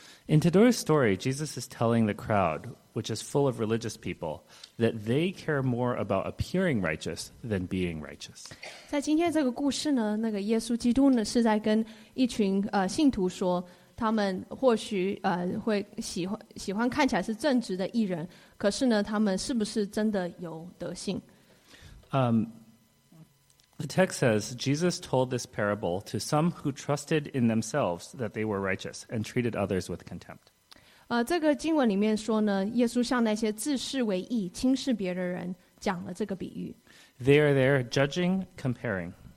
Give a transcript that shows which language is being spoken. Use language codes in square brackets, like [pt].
[en] In today's story, Jesus is telling the crowd, which is full of religious people, that they care more about appearing righteous than being righteous. [zh] 在今天这个故事呢，那个耶稣基督呢，是在跟一群信徒说，他们或许会喜欢看起来是正直的义人，可是呢，他们是不是真的有德性？ [en] The text says Jesus told this parable to some who trusted in themselves that they were righteous and treated others with contempt. [zh] 这个经文里面说呢，耶稣向那些自视为义、轻视别的人讲了这个比喻。 [en] They are there judging, comparing.